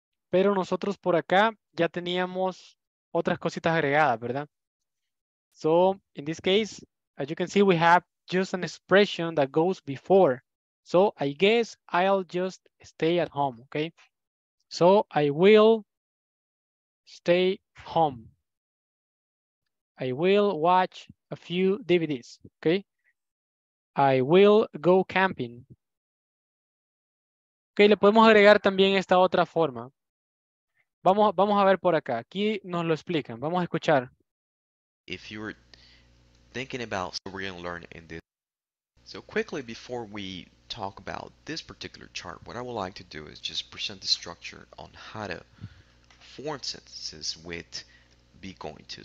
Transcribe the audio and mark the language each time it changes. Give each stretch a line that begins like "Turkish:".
Spanish: Pero nosotros por acá ya teníamos otras cositas agregadas, ¿verdad?
English: So in this case, as you can see, we have just an expression that goes before. So I guess I'll just stay at home, okay? So I will stay home. I will watch a few DVDs, okay? I will go camping.
Spanish: Okay, le podemos agregar también esta otra forma. Vamos a ver por acá. Aquí nos lo explican. Vamos a escuchar.
English: If you were thinking about what we're going to learn in this. So quickly, before we talk about this particular chart, what I would like to do is just present the structure on how to form sentences with be going to.